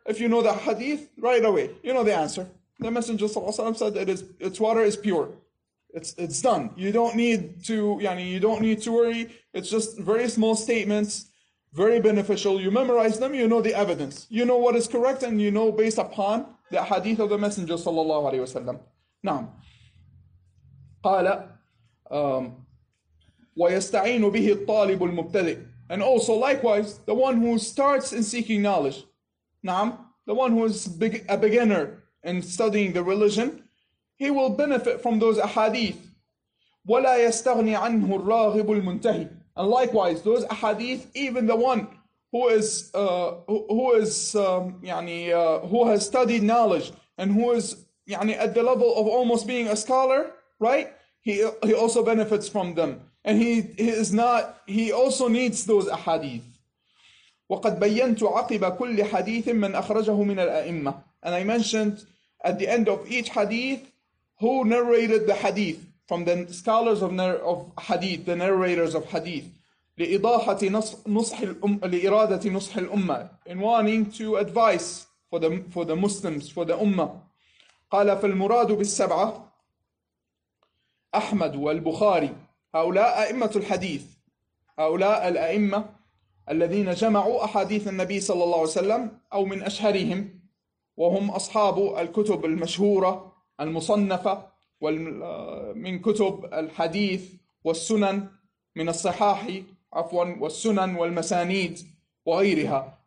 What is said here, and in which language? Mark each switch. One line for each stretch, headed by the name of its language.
English: If you know the hadith, right away, you know the answer. The Messenger said that its water is pure. It's done. You don't need to, يعني, you don't need to worry. It's just very small statements, very beneficial. You memorize them, you know the evidence. You know what is correct, and you know based upon the hadith of the Messenger sallallahu alayhi wa sallam.
Arabic: Naam. Qala, وَيَسْتَعِينُ بِهِ الطَّالِبُ الْمُبْتَدِئِ.
English: And also, likewise, the one who starts in seeking knowledge. Naam. The one who is a beginner in studying the religion, he will benefit from those ahadith.
Arabic: وَلَا يَسْتَغْنِ عَنْهُ الرَّاغِبُ الْمُنْتَهِي.
English: And likewise, those ahadith, even the one who has studied knowledge and who is يعني, at the level of almost being a scholar, right? He also benefits from them. And he also needs those ahadith.
Arabic: وَقَدْ بَيَّنْتُ عَقِبَ كُلِّ حَدِيثٍ مَنْ أَخْرَجَهُ مِنَ الْأَئِمَّةِ.
English: And I mentioned at the end of each hadith, who narrated the hadith from the scholars of hadith, the narrators of hadith.
Arabic: لِإِضَاحَةِ نُصْحِ الْأُمَّةِ لِإِرَادَةِ نُصْحِ الْأُمَّةِ.
English: In wanting to advise for the Muslims, for the ummah.
Arabic: قَالَ فَالْمُرَادُ بِالسَّبْعَةِ أحمد والبخاري. هؤلاء أئمة الحديث. هؤلاء الأئمة الذين جمعوا أحاديث النبي صلى الله عليه وسلم أو من أشهرهم وهم أصحاب الكتب المشهورة المصنفة من كتب الحديث والسنن من الصحاح عفوا والسنن والمسانيد وغيرها.